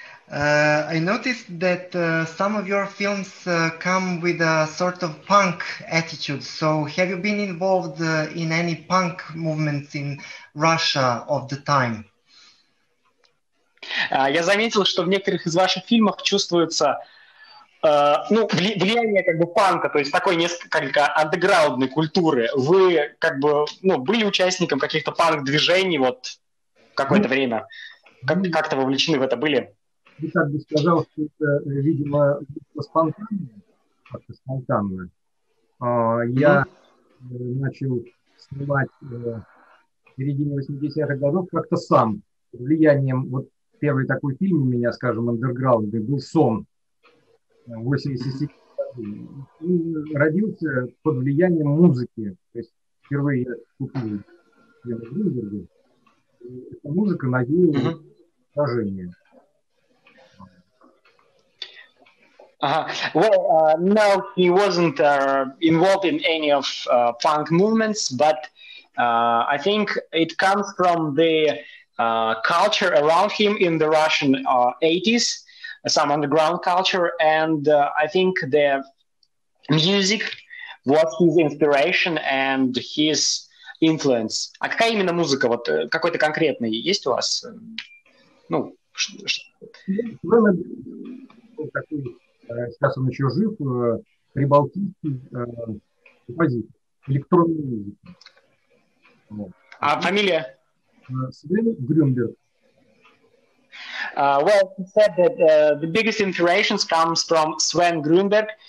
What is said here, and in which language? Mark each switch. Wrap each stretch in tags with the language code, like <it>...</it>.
<en>I noticed that some of your films come with a sort of punk attitude. So have you been involved in any punk movements in Russia of the time?</en> <ru>Я заметил, что в некоторых из ваших фильмов чувствуется ну, влияние как бы панка, то есть такой несколько андеграундной культуры. Вы как бы, ну, были участником каких-то панк-движений вот какое-то время? Как-то вовлечены в это были? Я так бы сказал, что это, видимо, спонтанно. Я начал снимать в середине 80-х годов как-то сам. Под влиянием, вот первый такой фильм у меня, скажем, андерграундный, был «Сон» 87-го. Родился под влиянием музыки. То есть впервые я купил фильм в Гринберге. Эта музыка навеяла сражение.</ru> <en>Well, no, he wasn't involved in any of punk movements, but I think it comes from the culture around him in the Russian 80s. some underground culture, and I think the music was his inspiration and his influence.</en> <ru>А какая именно музыка? Вот какой-то конкретный есть у вас? Ну, сейчас он еще жив, прибалтийский композитор, электронный музыка. А фамилия? Свен Грюнберг.</ru> <en>Well, he said that the biggest inspirations comes from Sven Grunberg.</en>